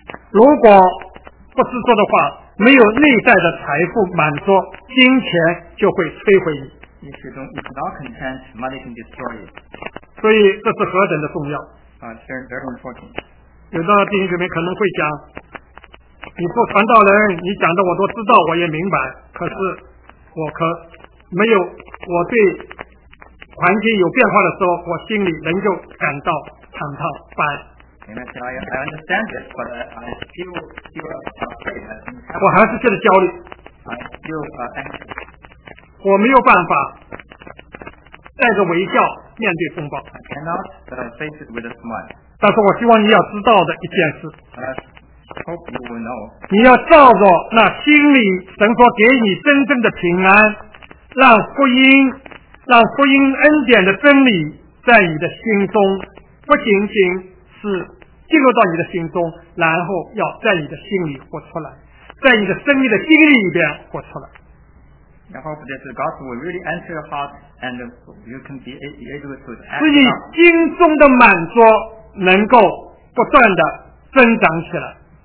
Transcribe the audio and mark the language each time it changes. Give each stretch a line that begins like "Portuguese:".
Chinese: 如果不自做的话，没有内在的财富满足，金钱就会摧毁你。
English: If you don't, if not content, money can destroy you.
Chinese: 所以这是何等的重要。
English: It's very, very important.
Chinese: 有的弟兄姊妹可能会讲，你做传道人，你讲的我都知道，我也明白。可是我可没有，我对环境有变化的时候，我心里仍旧感到忐忑不安。
English: I understand this, but I still afraid.
Chinese: 我还是觉得焦虑。
English: I still anxious.
Chinese: 我没有办法带着微笑面对风暴。
English: I cannot, but I face it with a smile.
Chinese: 但是我希望你要知道的一件事。
English: I hope you will know.
Chinese: 你要照着那心里神所给你真正的平安，让福音恩典的真理在你的心中，不仅仅是进入到你的心中，然后要在你的心里活出来，在你的生命的经历里边活出来。
English: I hope that the gospel will really enter your heart and you can be able to act.
Chinese: 自己心中的满足能够不断的增长起来。